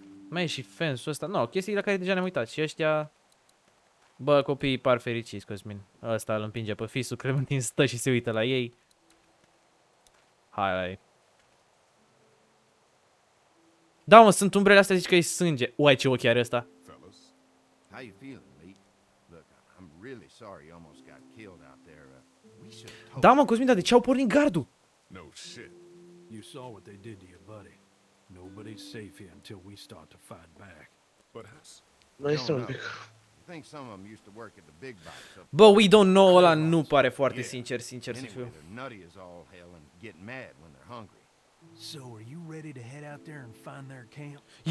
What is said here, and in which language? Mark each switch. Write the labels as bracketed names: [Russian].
[Romanian] Mai e și fence-ul ăsta. No, chestii la care deja ne-am uitat. Și ăștia... Bă, copiii par fericiți, Cosmin. Ăsta îl împinge pe fisul Clementine, stă și se uită la ei. Hai, hai. Da, mă, sunt umbrele astea, zici că e sânge. Uai, ce ochi are ăsta. [English] Fellas, how you feeling, Lee? Look, I'm really sorry you almost got killed out there. [Romanian] Da, mă, Cosmin, dar de ce au pornit gardul? [English] No shit. You saw what they did to your buddy. Nobody's safe here until we start to fight back. But us? [Romanian] Noi suntem. [English] Think some of them used to work at the big box. But we don't know, [Romanian] ăla nu pare foarte sincer, sincer să fiu. [English] Nutty is all hell and getting mad when they're hungry. So, are you ready to head out there and find their camp?